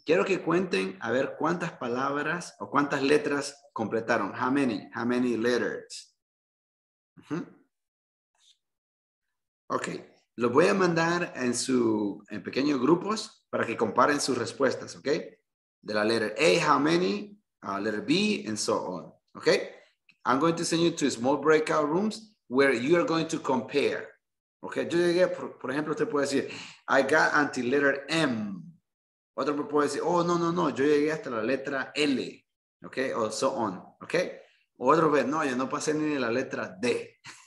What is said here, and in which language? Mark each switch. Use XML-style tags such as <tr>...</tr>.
<es>Quiero que cuenten a ver cuántas palabras o cuántas letras completaron.</es> <en>How many letters?</en> <es>Ok, los voy a mandar en pequeños grupos para que comparen sus respuestas, ok? De la</es> <en>letter A, how many, letter B, and so on, ok? I'm going to send you to small breakout rooms where you are going to compare, ok?</en> <es>Yo llegué, por ejemplo, usted puede decir,</es> <en>I got until letter M.</en> <es>Otro puede decir, oh, no, yo llegué hasta la letra L, ok? O so on, ok? Otro vez, no, yo no pasé ni la letra D.</es>